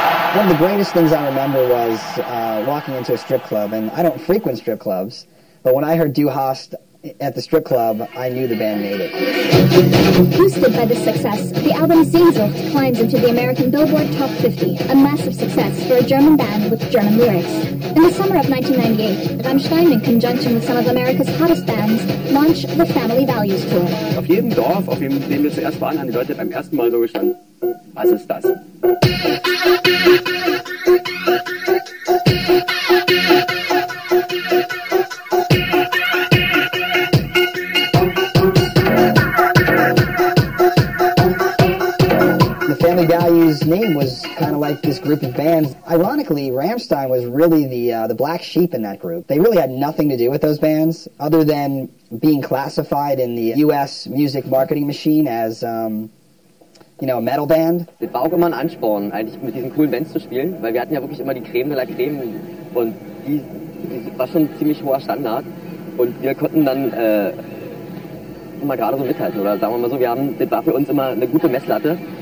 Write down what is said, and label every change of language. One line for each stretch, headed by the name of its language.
English: One of the greatest things I remember was walking into a strip club, and I don't frequent strip clubs, but when I heard Du Hast at the strip club, I knew the band made it. Boosted by this success, the album Sehnsucht climbs into the American Billboard Top 50, a massive success for a German band with German lyrics. In the summer of 1998, Rammstein, in conjunction with some of America's hottest bands, launch the Family Values Tour.
German: Auf jedem Dorf, auf dem wir zuerst waren, haben die Leute beim ersten Mal so gestanden. Was ist das?
English: Name was kind of like this group of bands. Ironically, Rammstein was really the black sheep in that group. They really had nothing to do with those bands other than being classified in the U.S. music marketing machine as, a metal band.
German: Das war auch immer ein Ansporn, eigentlich mit diesen coolen Bands zu spielen, weil wir hatten ja wirklich immer die Creme de la Creme und die war schon ein ziemlich hoher Standard und wir konnten dann immer gerade so mithalten oder sagen wir mal so, das war für uns immer eine gute Messlatte.